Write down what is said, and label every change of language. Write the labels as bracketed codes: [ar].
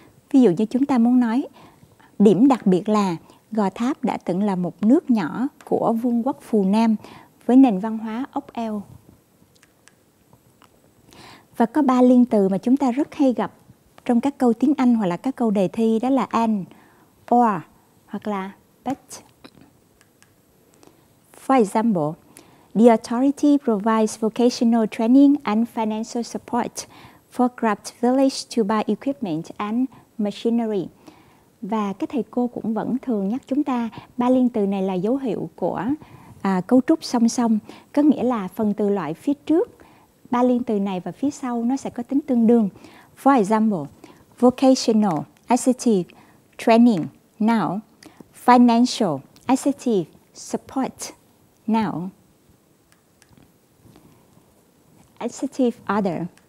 [vi] Ví dụ như chúng ta muốn nói, điểm đặc biệt là Gò Tháp đã từng là một nước nhỏ của vương quốc Phù Nam với nền văn hóa ốc eo. Và có ba liên từ mà chúng ta rất hay gặp trong các câu tiếng Anh hoặc là các câu đề thi, đó là an, or hoặc là but. [en] For example, the authority provides vocational training and financial support for Grabt village to buy equipment and machinery. [vi] Và các thầy cô cũng vẫn thường nhắc chúng ta ba liên từ này là dấu hiệu của cấu trúc song song, có nghĩa là phần từ loại phía trước ba liên từ này và phía sau nó sẽ có tính tương đương. [en] For example, vocational, adjective, training, noun, financial, adjective, support, noun, adjective, other.